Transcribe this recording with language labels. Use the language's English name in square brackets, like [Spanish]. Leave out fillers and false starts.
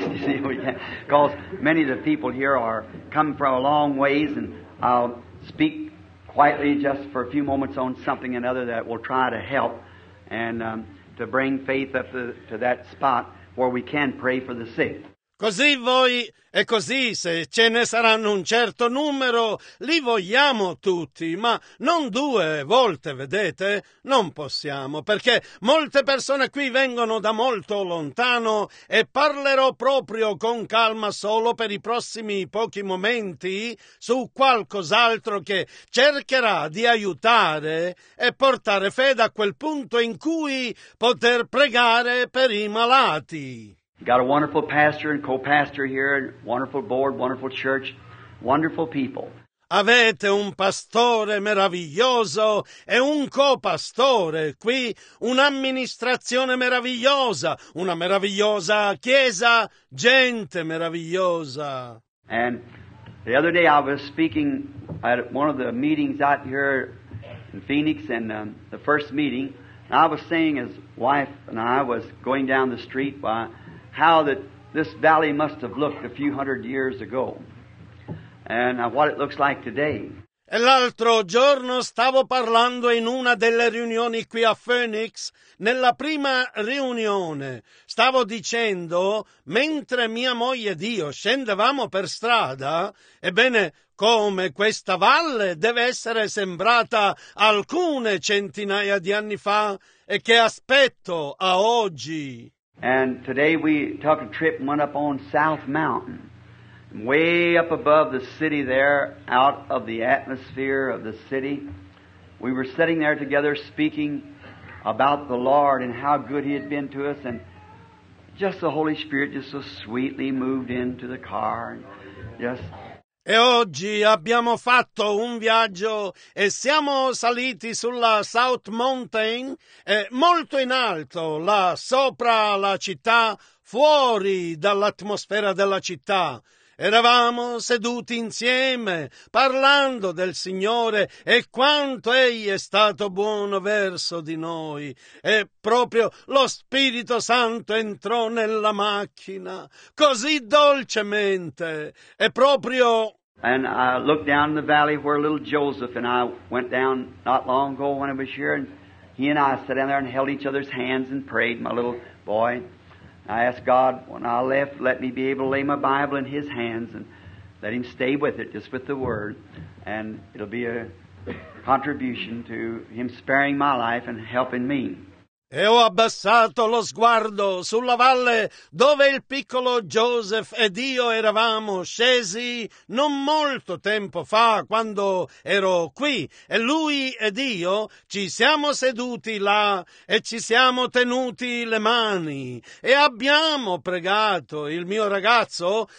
[English] You see, because many of the people here are coming from a long ways, and I'll speak quietly just for a few moments on something and other that will try to help and to bring faith up to that spot where we can pray for the sick. [Italian] Così voi, e così se ce ne saranno un certo numero, li vogliamo tutti, ma non due volte, vedete? Non possiamo, perché molte persone qui vengono da molto lontano e parlerò proprio con calma solo per i prossimi pochi momenti su qualcos'altro che cercherà di aiutare e portare fede a quel punto in cui poter pregare per i malati. [English] Got a wonderful pastor and co-pastor here, wonderful board, wonderful church, wonderful people. [Italian] Avete un pastore meraviglioso e un co-pastore qui, un'amministrazione meravigliosa, una meravigliosa chiesa, gente meravigliosa. [English] And the other day I was speaking at one of the meetings out here in Phoenix, and the first meeting, and I was saying, his wife and I was going down the street by how that this valley must have looked a few hundred years ago, and what it looks like today. [Italian] E l'altro giorno stavo parlando in una delle riunioni qui a Phoenix, nella prima riunione. Stavo dicendo, mentre mia moglie ed io scendevamo per strada, ebbene, come questa valle deve essere sembrata alcune centinaia di anni fa, e che aspetto a oggi. [English] And today we took a trip and went up on South Mountain, way up above the city there, out of the atmosphere of the city. We were sitting there together speaking about the Lord and how good He had been to us, and just the Holy Spirit just so sweetly moved into the car. [Italian] E oggi abbiamo fatto un viaggio e siamo saliti sulla South Mountain, molto in alto, là sopra la città, fuori dall'atmosfera della città. Eravamo seduti insieme, parlando del Signore e quanto Egli è stato buono verso di noi. E proprio lo Spirito Santo entrò nella macchina, così dolcemente, e proprio... [English] And I looked down in the valley where little Joseph and I went down not long ago when I was here, and he and I sat down there and held each other's hands and prayed, my little boy. I asked God, when I left, let me be able to lay my Bible in his hands and let him stay with it, just with the Word, and it'll be a contribution to him sparing my life and helping me. [Italian] e ho abbassato lo sguardo sulla valle dove il piccolo Joseph ed io eravamo scesi non molto tempo fa, quando ero qui, e lui ed io ci siamo seduti là e ci siamo tenuti le mani e abbiamo pregato il mio ragazzo,